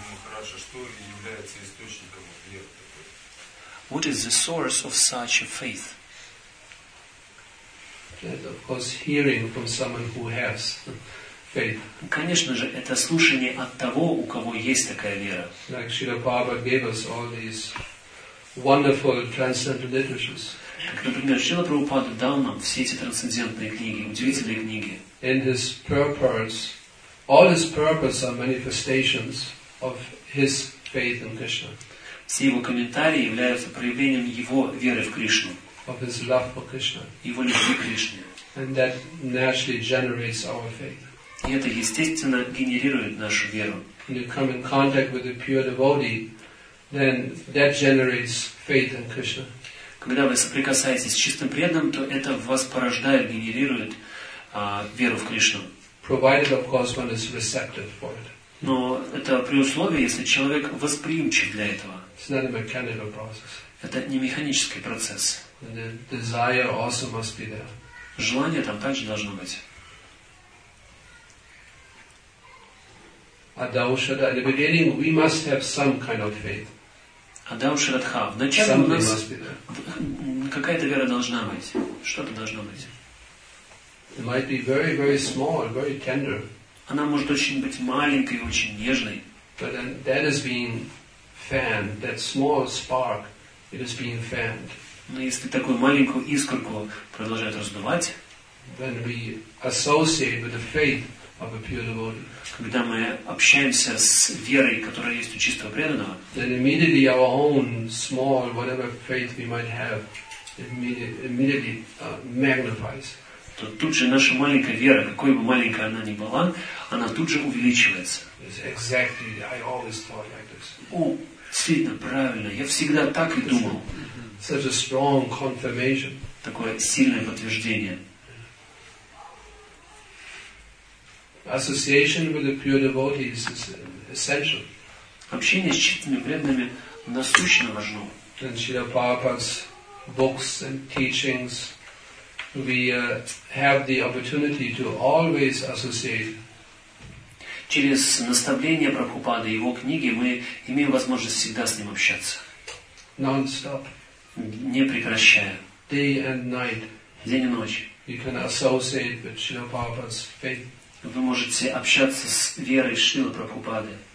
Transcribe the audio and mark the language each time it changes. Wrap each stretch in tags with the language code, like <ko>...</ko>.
<ru>Хорошо, что является источником веры?</ru> <en>What is the source of such a faith? That, of course, hearing from someone who has faith.</en> <ru>Конечно же, это слушание от того, у кого есть такая вера.</ru> <en>Like Srila Prabhupada gave us all these wonderful transcendental literatures.</en> <ru>Как, например, Srila Prabhupada дал нам все эти трансцендентные книги, удивительные книги.</ru> <en>In his purports, all his purports are manifestations of his faith in Krishna.</en> <ru>Все его комментарии являются проявлением его веры в Кришну.</ru> <en>Of his love for Krishna.</en> <ru>Его любви к Кришне.</ru> <en>And that naturally generates our faith.</en> <ru>И это естественно генерирует нашу веру.</ru> <en>When you come in contact with a pure devotee, then that generates faith in Krishna.</en> <ru>Когда вы соприкасаетесь с чистым преданным, то это вас порождает, генерирует веру в Кришну.</ru> <en>Provided, of course, one is receptive for it.</en> <ru>Но это при условии, если человек восприимчив для этого.</ru> <en>It's not a mechanical process.</en> <ru>Это не механический процесс.</ru> <en>And the desire also must be there.</en> <ru>Желание там также должно быть.</ru> <en>Адаушада, at the beginning we must have some kind of faith.</en> <ru>Адаушадха, в начале</ru> <en>something</en> <ru>у нас</ru> <en>must be there.</en> <ru>Какая-то вера должна быть. Что-то должно быть.</ru> <en>It might be very, very small, very tender.</en> <ru>Она может очень быть маленькой, очень нежной.</ru> <en>But then that is being fanned, that small spark, it is being fanned.</en> <ru>Но если такую маленькую искорку продолжают раздувать,</ru> <en>when we associate with the faith of a pure devotee,</en> <ru>когда мы общаемся с верой, которая есть у чистого преданного,</ru> <en>then immediately our own small, whatever faith we might have, immediately magnifies.</en> <ru>То тут же наша маленькая вера, какой бы маленькая она ни была, она тут же увеличивается.</ru> <en>Exactly, I always thought like this.</en> <ru>О, Действительно, правильно. Я всегда так и думал.</ru> <en>Such a strong confirmation.</en> <ru>Такое сильное подтверждение.</ru> <en>Association with the pure devotees is essential.</en> <ru>Общение с чистыми преданными насущно важно.</ru> <en>And Srila Prabhupada's books and teachings, we have the opportunity to always associate.</en> <ru>Через наставления Прабхупады и его книги мы имеем возможность всегда с ним общаться.</ru> <en>Non-stop.</en> <ru>Не прекращая.</ru> <en>Day and night.</en> <ru>День и ночь.</ru> <en>You can associate with Srila Prabhupada's faith.</en> <ru>Вы можете общаться с верой Шрилы Прабхупады.</ru>